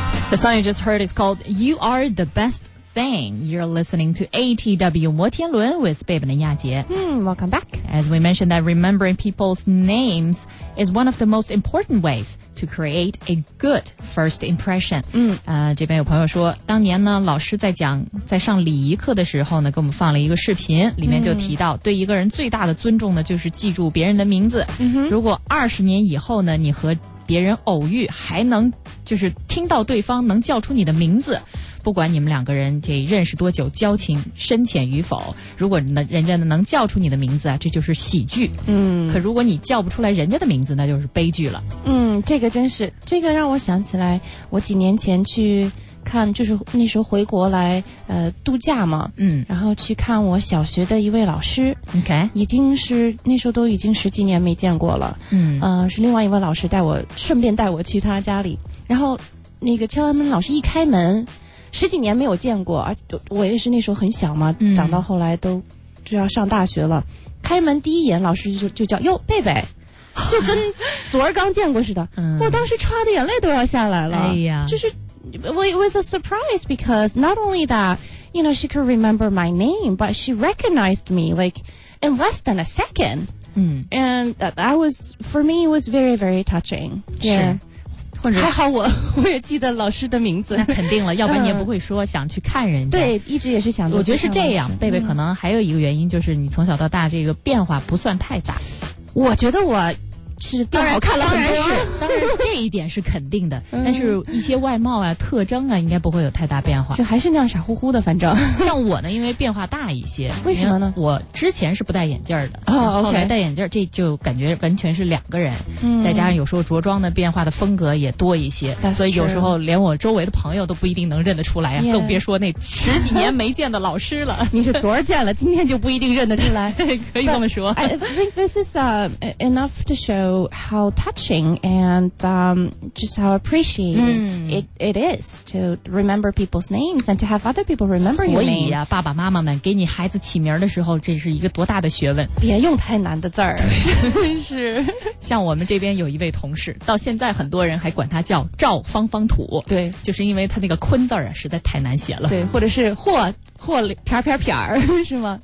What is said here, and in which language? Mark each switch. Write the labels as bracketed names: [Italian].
[English] The song you just heard is called You Are the Best Thing. You're listening to ATW 摩天轮 with Babe and Yajie. Welcome back. As we mentioned that remembering people's names is one of the most important ways to create a good first impression. [Chinese] 这边有朋友说当年呢老师在讲在上礼仪课的时候呢给我们放了一个视频里面就提到对一个人最大的尊重呢就是记住别人的名字。如果20年以后呢你和别人偶遇还能就是听到对方能叫出你的名字，不管你们两个人这认识多久，交情深浅与否，如果人家能叫出你的名字啊，这就是喜剧。可如果你叫不出来人家的名字，那就是悲剧了。这个真是，这个让我想起来，我几年前去看，就是那时候回国来度假嘛。然后去看我小学的一位老师。已经是那时候都已经十几年没见过了。是另外一位老师带我，顺便带我去他家里。然后那个敲完门，老师一开门，十几年没有见过，而且我也是那时候很小嘛，长到后来都就要上大学了。开门第一眼，老师就叫哟贝贝。就跟昨儿刚见过似的。我当时唰的眼泪都要下来了。哎呀。 [English] 就是Well, it was a surprise because not only that, you know, she could remember my name, but she recognized me like in less than a second. And that was, for me, it was very, very touching. Yeah. [Chinese] 还好我也记得老师的名字，那肯定了，要不然你也不会说想去看人家。对，一直也是想。我觉得是这样，贝贝可能还有一个原因就是你从小到大这个变化不算太大。我觉得我是变好看了很多，当然这一点是肯定的，但是一些外貌啊、特征啊，应该不会有太大变化。就还是那样傻乎乎的，反正。像我呢，因为变化大一些。为什么呢？我之前是不戴眼镜的，后来戴眼镜，这就感觉完全是两个人。再加上有时候着装的变化的风格也多一些，所以有时候连我周围的朋友都不一定能认得出来呀，更别说那十几年没见的老师了。你是昨儿见了，今天就不一定认得出来，可以这么说。 [English] I think this is enough to show. How touching and just how appreciated it is to remember people's names and to have other people remember your name. [Chinese] 所以啊，爸爸妈妈们给你孩子起名的时候，这是一个多大的学问！别用太难的字儿，真是。像我们这边有一位同事，到现在很多人还管他叫赵方方土。对，就是因为他那个坤字啊实在太难写了。对，或者是霍撇撇撇是吗？